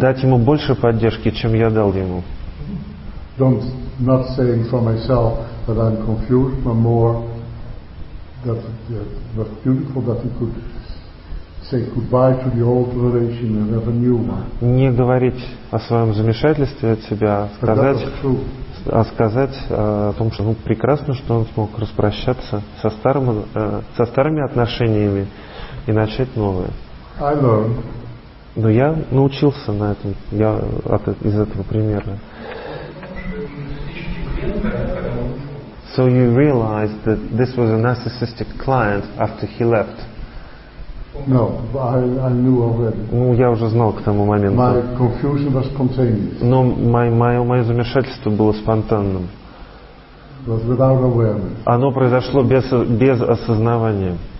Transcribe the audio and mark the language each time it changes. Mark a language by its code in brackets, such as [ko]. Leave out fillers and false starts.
[ru] Дать ему больше поддержки, чем я дал ему. [en] Not saying for myself that I'm confused, but more was beautiful that he could say goodbye to the old relation and have a new one. [ru] Не говорить о своем замешательстве от себя, сказать о том, что прекрасно, что он смог распрощаться со старыми отношениями и начать новые. [en] I learned. [ru] Но я научился на этом, из этого примера. [en] So you realized that this was a narcissistic client after he left. No, I knew already. [ru] Ну, я уже знал к тому моменту. [en] My confusion was spontaneous. [ru] Но мое замешательство было спонтанным. [en] It was without awareness. [ru] Оно произошло без осознавания.